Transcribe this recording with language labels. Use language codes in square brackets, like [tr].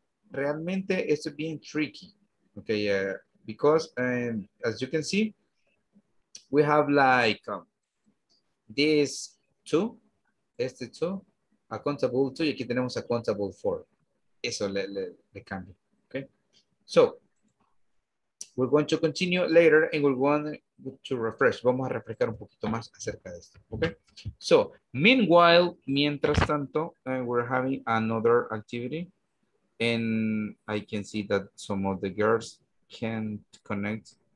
[es] Realmente esto es bien [en] tricky, okay, because as you can see, we have like this two, [es] este [en] two, accountable two, [es] y aquí tenemos [en] accountable for. [es] Eso le cambia, okay? [en] So, we're going to continue later and we're going to refresh. [es] Vamos a refrescar un poquito más acerca de esto, okay? [en] So, meanwhile, [es] mientras tanto, [en] we're having another activity. And I can see that some of the girls can't connect.